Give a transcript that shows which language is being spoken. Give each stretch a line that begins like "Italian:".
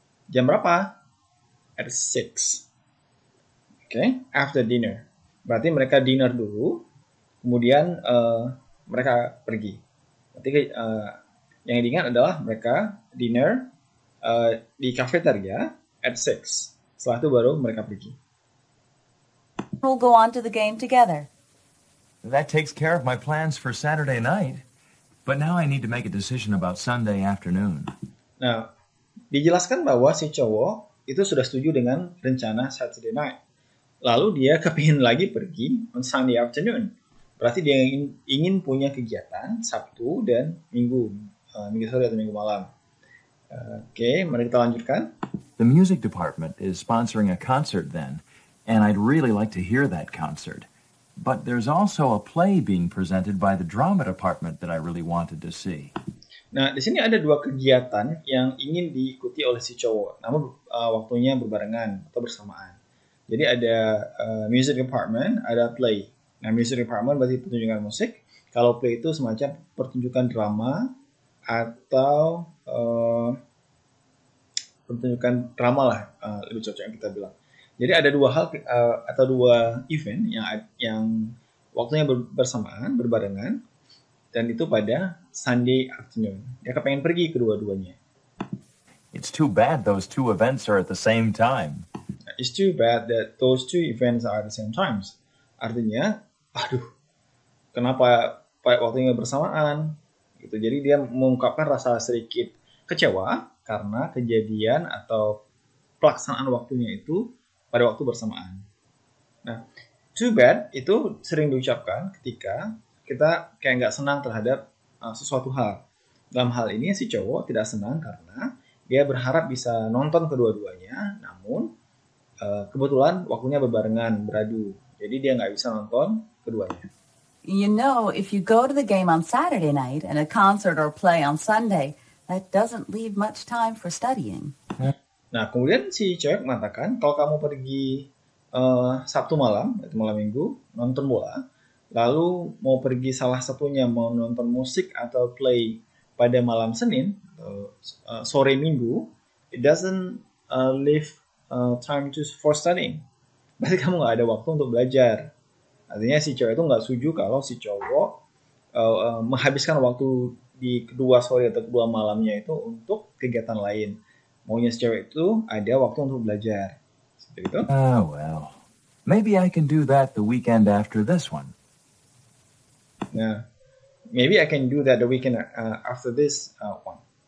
Indonesian: Jam berapa?
English: At 6. Okay, after dinner.
Indonesian: Berarti mereka dinner dulu, kemudian mereka pergi. Berarti yang diingat adalah mereka dinner di cafeteria at 6. Setelah itu baru mereka pergi.
English: We'll go on to the game together. That takes care of my plans for Saturday night. But now I need to make a decision about Sunday afternoon.
Indonesian: Nah, dijelaskan bahwa si cowok itu sudah setuju dengan rencana Saturday night. Lalu dia kepingin lagi pergi
English: on Sunday afternoon.
Indonesian: Berarti dia ingin punya kegiatan Sabtu dan Minggu. Minggu sore atau Minggu malam. Okay, mari kita lanjutkan.
English: The music department is sponsoring a concert then. And I'd really like to hear that concert. But there's also a play being presented by the drama department that I really wanted to see.
Indonesian: Nah, di sini ada dua kegiatan yang ingin diikuti oleh si cowok. Namun waktunya berbarengan atau bersamaan. Jadi ada music department, ada play. Nah, music department berarti pertunjukan musik. Kalau play itu semacam pertunjukan drama atau pertunjukan drama lah, lebih cocok yang kita bilang. Jadi ada dua hal atau dua event yang waktunya bersamaan, berbarengan, dan itu pada Sunday afternoon. Dia kepengen pergi kedua-duanya.
English: It's too bad those two events are at the same time. it's too bad that those two events are at the same times.
Indonesian: Artinya, aduh, kenapa pada waktunya bersamaan? Gitu. Jadi dia mengungkapkan rasa sedikit kecewa karena kejadian atau pelaksanaan waktunya itu pada waktu bersamaan. Nah, too bad itu sering diucapkan ketika kita kayak nggak senang terhadap sesuatu hal. Dalam hal ini si cowok tidak senang karena dia berharap bisa nonton kedua-duanya, namun kebetulan waktunya berbarengan, beradu. Jadi dia nggak bisa nonton keduanya.
English: You know, if you go to the game on Saturday night and a concert or play on Sunday, that doesn't leave much time for studying.
Indonesian: Nah, kemudian si cewek mengatakan, kalau kamu pergi Sabtu malam, atau malam minggu, nonton bola, lalu mau pergi salah satunya, mau nonton musik atau play pada malam Senin, sore minggu,
English: it doesn't leave time to for studying.
Indonesian: Berarti kamu nggak ada waktu untuk belajar. Artinya si cewek itu nggak setuju kalau si cowok menghabiskan waktu di kedua sore atau kedua malamnya itu untuk kegiatan lain. Maunya si cewek itu ada waktu untuk belajar. Seperti itu.
English: Well, maybe I can do that the weekend after this one. Yeah, maybe I can do that the weekend after this one.